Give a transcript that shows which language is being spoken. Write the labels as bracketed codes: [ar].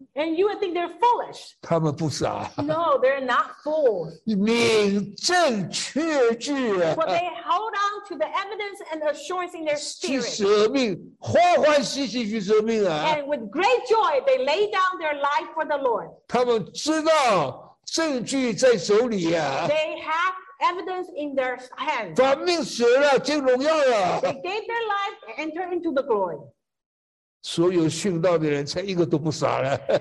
[en] And you would think they're foolish. [zh] 他们不傻。 [en] No, they're not fools. [zh] 明证确据啊。 [en] But they hold on to the evidence and assurance in their spirit. [zh] 去舍命，欢欢喜喜去舍命啊。 [en] And with great joy, they lay down their life for the Lord. [zh] 他们知道证据在手里啊。 [en] They have evidence in their hands. [zh] 把命舍了，进荣耀了。 [en] They gave their life and entered into the glory. [zh] 所有殉道的人才一个都不傻了。